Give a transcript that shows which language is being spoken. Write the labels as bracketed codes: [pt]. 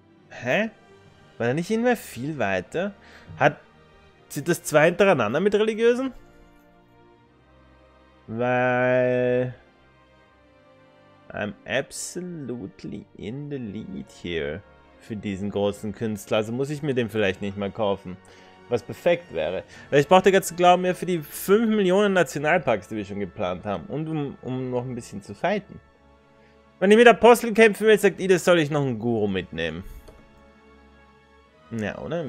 [de] Hä? War da nicht irgendwer viel weiter? Sind das zwei hintereinander mit Religiösen? Weil... [en] I'm absolutely in the lead here. [de] Für diesen großen Künstler. Also muss ich mir den vielleicht nicht mal kaufen. Was perfekt wäre. Ich brauche den ganzen Glauben mehr für die 5 Millionen Nationalparks, die wir schon geplant haben. Und um noch ein bisschen zu fighten. Wenn ich mit Aposteln kämpfen will, sagt Ida, soll ich noch einen Guru mitnehmen. Ja, oder?